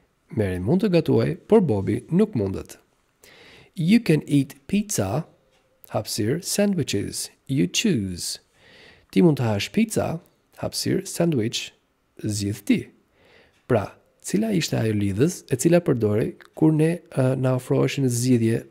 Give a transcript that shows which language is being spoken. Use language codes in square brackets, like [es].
[sq] Mary mund të gatuaj, por Bobby nuk mundet. [en] You can eat pizza, hapësir, sandwiches, you choose. [sq] Ti mund të hash pizza, hapësir, sandwich, zgjidh ti. Pra, cila ishte ajo lidhës e cila përdori kur ne na ofroheshin zgjidhje ose mundësi, ishte pikërisht or që do thot ose.